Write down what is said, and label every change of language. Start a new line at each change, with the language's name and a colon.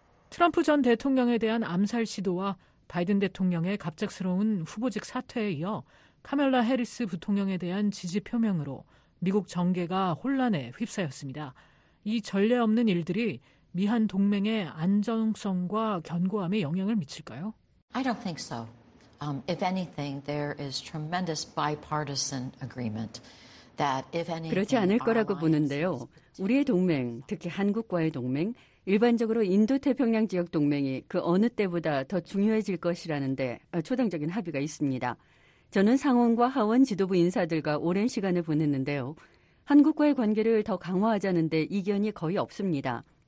Korean: 트럼프 전 대통령에 대한 암살 시도와 바이든 대통령의 갑작스러운 후보직 사퇴에 이어 카멀라 해리스 부통령에 대한 지지 표명으로 미국 정계가 혼란에 휩싸였습니다. 이 전례 없는 일들이 미한 동맹의 안정성과 견고함에 영향을 미칠까요?
English: I don't think so. If anything, there is tremendous bipartisan agreement that if anything,
Korean: 그렇지 않을 거라고 보는데요. 우리의 동맹, 특히 한국과의 동맹, 일반적으로 인도태평양 지역 동맹이 그 어느 때보다 더 중요해질 것이라는데 초당적인 합의가 있습니다. 저는 상원과 하원 지도부 인사들과 오랜 시간을 보냈는데요. 한국과의 관계를 더 강화하자는 데 이견이 거의 없습니다.